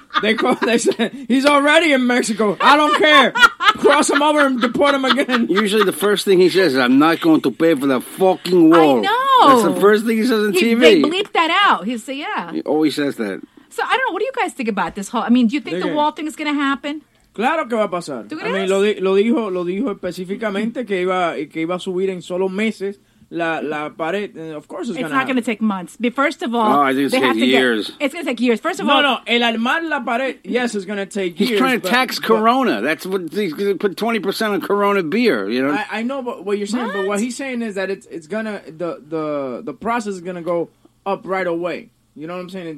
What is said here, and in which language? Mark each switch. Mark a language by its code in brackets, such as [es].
[en] They called. They said, "He's already in Mexico. I don't care. Cross him over and deport him again." Usually the first thing he says is, "I'm not going to pay for the fucking wall." I know. That's the first thing he says on TV. They bleep that out. He says, yeah. He always says that. So, I don't know. What do you guys think about this whole... I mean, do you think the wall thing is going to happen? [es] Claro que va a pasar. Lo dijo específicamente que iba a subir en solo meses. La pared, [en] of course, it's not going to take months. But first of all, it's going to take years. First of [es] No, el armar la pared, [en] yes, it's going to take years. He's trying to tax Corona. That's what he's going to put 20% on Corona beer. You know, I know what you're saying, but what he's saying is that it's going to the process is going to go up right away. You know what I'm saying?